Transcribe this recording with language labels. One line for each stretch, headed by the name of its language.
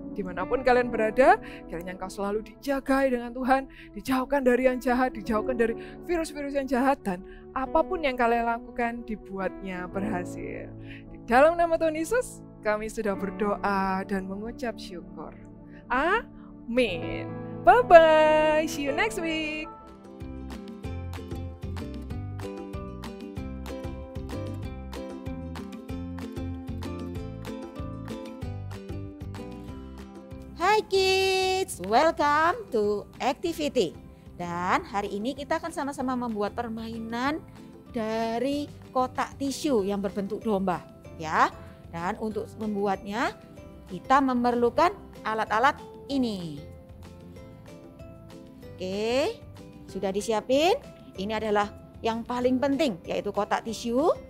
Indonesian: Dimanapun kalian berada, kiranya Engkau selalu dijagai dengan Tuhan, dijauhkan dari yang jahat, dijauhkan dari virus-virus yang jahat, dan apapun yang kalian lakukan, dibuatnya berhasil. Di dalam nama Tuhan Yesus, kami sudah berdoa dan mengucap syukur. Amin.
English: Bye-bye, see you next week. Hi kids, welcome to activity.
Indonesian: Dan hari ini kita akan sama-sama membuat permainan dari kotak tisu yang berbentuk domba, ya. Dan untuk membuatnya kita memerlukan alat-alat ini. Oke, sudah disiapin? Ini adalah yang paling penting, yaitu kotak tisu.